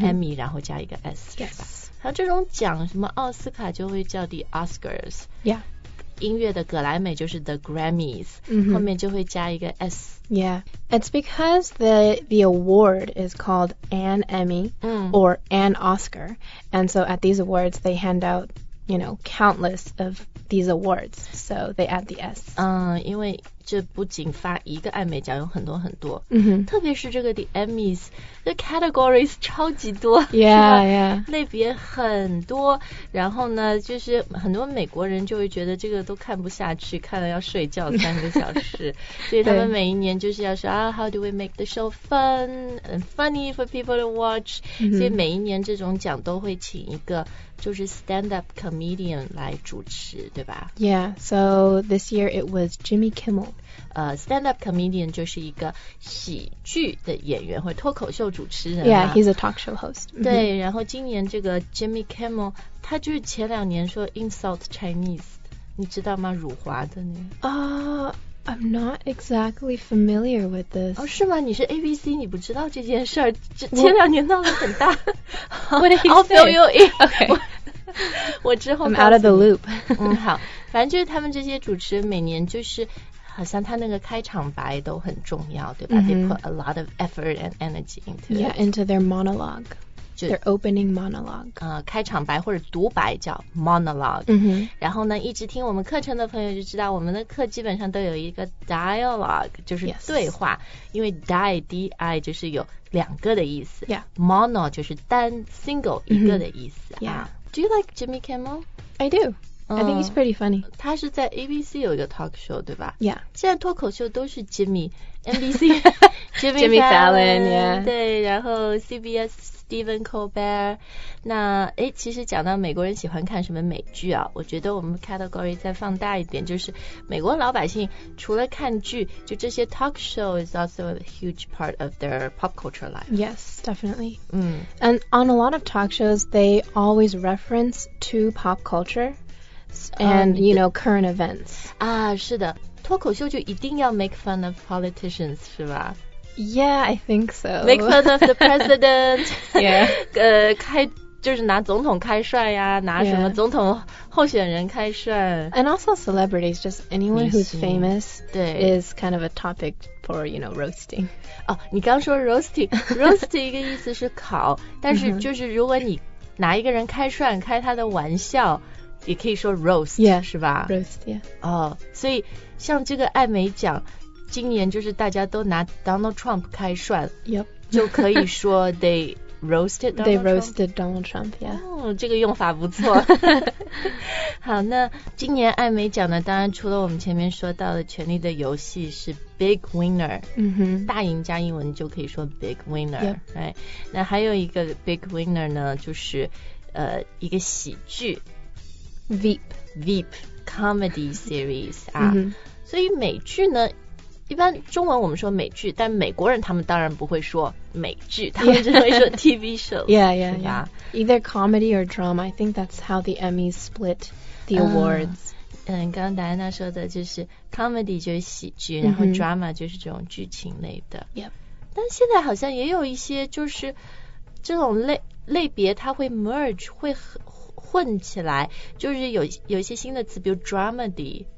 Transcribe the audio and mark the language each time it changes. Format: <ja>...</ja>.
<zh>Emmy 然后加一个 S</zh> <en>Yes</en> <zh>然后这种奖什么奥斯卡就会叫 The Oscars</zh> <en>Yeah</en> <zh>音乐的葛莱美就是 The Grammys、 mm-hmm. 后面就会加一个 S</zh> <en>Yeah, it's because the award is called an Emmy、or an Oscar and so at these awards they hand out, you know, countless of these awards so they add the S</en> <zh>因为这不仅发一个艾美奖有很多很多、 mm-hmm. 特别是这个 The Emmys The categories 超级多</zh> <en>Yeah, yeah</en> <zh>类别很多然后呢就是很多美国人就会觉得这个都看不下去看了要睡觉三个小时所以他们每一年就是要说啊</zh> <en>How do we make the show fun and funny for people to watch、</en> <zh>mm-hmm. 所以每一年这种奖都会请一个就是 stand-up comedian 来主持对吧</zh> <en>Yeah, so this year it was Jimmy Kimmel</en> <zh>Stand-up comedian 就是一个喜剧的演员或脱口秀主持人、</zh> <en>Yeah, he's a talk show host</en> <zh>对、mm-hmm. 然后今年这个 Jimmy Kimmel 他就是前两年说</zh> <en>insult Chinese</en> <zh>你知道吗辱华的那个、</zh> <en>I'm not exactly familiar with this</en> <zh>哦是吗你是 ABC 你不知道这件事儿前两年闹得很大</zh> <en>What did he I'll fill you in okay</en> <zh>我之后</zh> <en>I'm out of the loop</en> <zh>好反正就是他们这些主持人每年就是好像他那个开场白都很重要对吧、 mm-hmm.</zh> <en>They put a lot of effort and energy into it. Yeah, into their monologue. Their opening monologue.</en> <zh>开场白或者独白叫 monologue. Mm-hmm. 然后呢一直听我们课程的朋友就知道我们的课基本上都有一个 dialogue, 就是对话、</zh> <en>yes.</en> <zh>因为 di 就是有两个的意思。</zh> <en>Yeah.</en> <zh>Mono 就是单 single、mm-hmm. 一个的意思。</zh> <en>Yeah. Do you like Jimmy Kimmel? I do. I think he's pretty funny.</en> <zh>他是在 ABC 有一个 talk show, 对吧</zh> <en>Yeah.</en> <zh>现在脱口秀都是 Jimmy, NBC,</zh> <en>Jimmy, Jimmy Fallon, yeah.</en> <zh>对然后 CBS, Stephen Colbert. 那诶其实讲到美国人喜欢看什么美剧啊我觉得我们 category 再放大一点就是美国老百姓除了看剧就这些</zh> <en>talk show is also a huge part of their pop culture life. Yes, definitely.、 Mm. And on a lot of talk shows, they always reference to pop culture. And, you know, current events.</en> <zh>啊，是的，脱口秀就一定要</zh> <en>make fun of politicians,</en> <zh>是吧？</zh> <en>Yeah, I think so. Make fun of the president. yeah.</en> <zh>开，就是拿总统开涮呀，拿什么总统候选人开涮。</zh> <en>And also celebrities, just anyone who's famous</en> <zh>对</zh> <en>is kind of a topic for, you know, roasting.</en> <zh>哦，你刚说 roasting, roasting 一个意思是烤，但是就是如果你拿一个人开涮，开他的玩笑。也可以说 roast</zh> <en>yeah,</en> <zh>是吧</zh> <en>roast yeah</en> <zh>哦、oh, 所以像这个艾美奖今年就是大家都拿 Donald Trump 开涮</zh> <en>yep</en> <zh>就可以说</zh> <en>they roasted Donald they roasted Donald Trump yeah</en> <zh>这个用法不错好那今年艾美奖呢当然除了我们前面说到的权力的游戏是 big winner、 mm-hmm. 大赢家英文就可以说 big winner、</zh> <en>yep.</en> <zh>right 那还有一个 big winner 呢就是一个喜剧</zh> <en>Veep</en> <zh>Veep Comedy Series 啊、嗯、所以美剧呢一般中文我们说美剧但美国人他们当然不会说美剧他们只会说 TV show</zh> <en>yeah yeah, yeah either comedy or drama I think that's how the Emmys split the awards、</en> <zh>刚刚戴安娜说的就是 comedy 就是喜剧然后 drama 就是这种剧情类的、 mm-hmm. yep. 但现在好像也有一些就是这种 类别它会 merge 会混起来就是 有一些新的词比如 dramedy</zh>